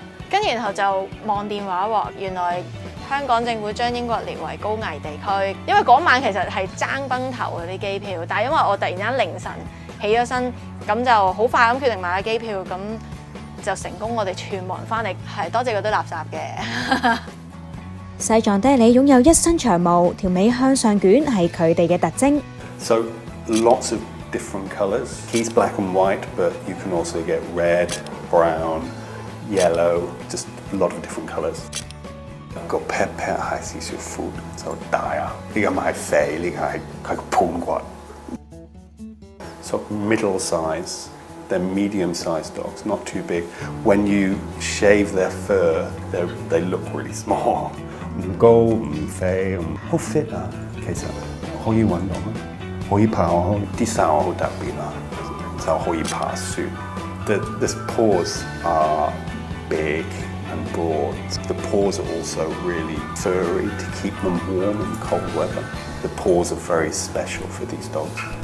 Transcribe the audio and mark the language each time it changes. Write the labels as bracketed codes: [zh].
[yue] 跟然后就望电话喎，原来香港政府将英国列为高危地区，因为嗰晚其实系争崩头嘅啲机票，但系因为我突然间凌晨起咗身，咁就好快咁决定买咗机票，咁就成功我哋全部人翻嚟，系多谢嗰堆垃圾嘅。西藏爹利擁有一身長毛，條尾向上捲係佢哋嘅特徵。 [en] So lots of different colours. He's black and white, but you can also get red, brown, yellow, just a lot of different colours. [yue] 個 pet pet 係少少闊，就大啊！呢個咪肥，呢個係佢個盤骨。 [en] So middle size, they're medium sized dogs, not too big. When you shave their fur, they look really small. [yue] 唔高唔肥，好 fit 啊！其實可以運動啊，可以爬，啲手好特別啊，就可以爬樹。 [en] The paws are big and broad. The paws are also really furry to keep them warm in cold weather. The paws are very special for these dogs.